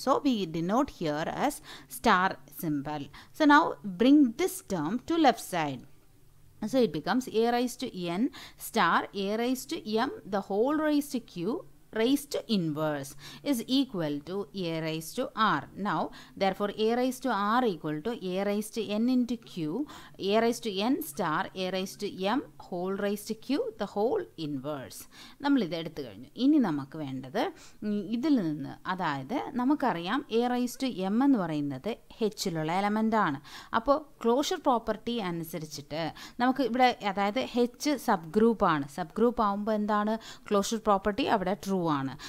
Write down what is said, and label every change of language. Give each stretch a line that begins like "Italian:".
English: So we denote here as star symbol. So now bring this term to left side. So it becomes a raise to n star a raise to m the whole raise to q raise to inverse is equal to a raise to r. Now therefore a raise to r equal to a raise to n into q a raise to n star a raise to m whole raise to q the whole inverse.
Malayalam: നമ്മൾ ഇത് എടുത്തു കഴിഞ്ഞു. ഇനി നമുക്ക് വേണ്ടത് ഇതിൽ നിന്ന്, അതായത് നമുക്കറിയാം
English: a raise to m
Malayalam: എന്ന് പറയുന്നത് h ലുള്ള എലമെൻ്റ് ആണ്. അപ്പോൾ ക്ലോഷർ പ്രോപ്പർട്ടി അനുസരിച്ചിട്ട് നമുക്ക് ഇവിടെ, അതായത് h സബ് ഗ്രൂപ്പ് ആണ്, സബ് ഗ്രൂപ്പ് ആകുമ്പോൾ എന്താണ് ക്ലോഷർ പ്രോപ്പർട്ടി? അവിടെ ട്രൂ ആണ്.